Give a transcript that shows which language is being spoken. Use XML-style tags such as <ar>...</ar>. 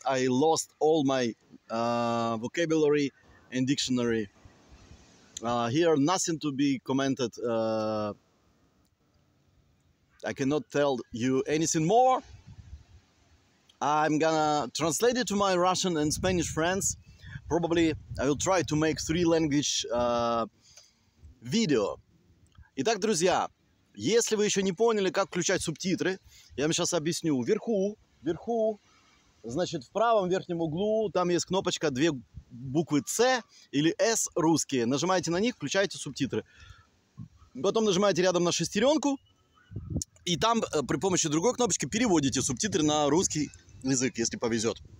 <en>I lost all my vocabulary and dictionary. Here, nothing to be commented. I cannot tell you anything more. I'm gonna translate it to my Russian and Spanish friends. Probably I will try to make three language</en> <ru>видео. Итак, друзья, если вы еще не поняли, как включать субтитры, я вам сейчас объясню. Вверху, значит, в правом верхнем углу, там есть кнопочка, две буквы С или С русские. Нажимаете на них, включаете субтитры. Потом нажимаете рядом на шестеренку, и там при помощи другой кнопочки переводите субтитры на русский язык, если повезет.</ru>